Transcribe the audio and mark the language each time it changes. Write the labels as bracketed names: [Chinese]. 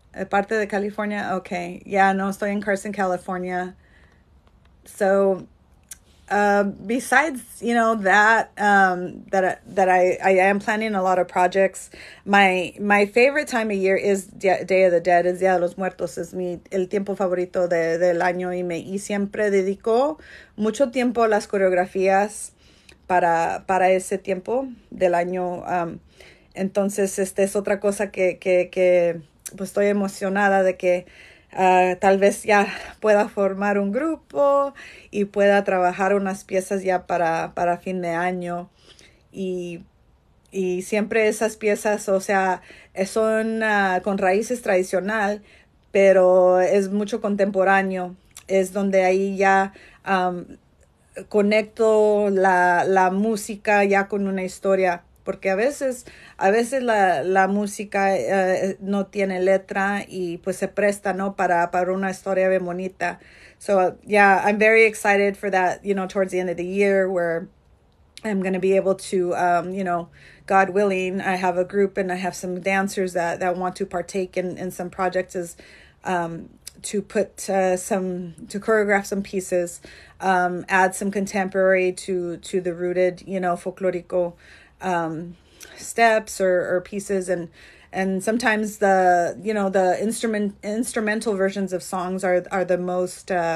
[Spanish] Parte de California, okay. Yeah, no, estoy en Carson, California. [English] So, besides, that I am planning a lot of projects. My favorite time of year is Day of the Dead, [Spanish] es Día de los Muertos, es mi el tiempo favorito del año y siempre dedico mucho tiempo a las coreografías para ese tiempo del año. Entonces, es otra cosa que pues estoy emocionada de que tal vez ya pueda formar un grupo y pueda trabajar unas piezas ya para fin de año. Y siempre esas piezas, o sea, son con raíces tradicional, pero es mucho contemporáneo. Es donde ahí ya conecto la música ya con una historia. Porque a veces la música no tiene letra y pues se presta, ¿no? Para una historia bien bonita. [English] So, yeah, I'm very excited for that, towards the end of the year where I'm going to be able to, God willing, I have a group and I have some dancers that want to partake in some projects as to put to choreograph some pieces, add some contemporary to the rooted, folklorico steps or pieces, and sometimes the instrumental versions of songs are the most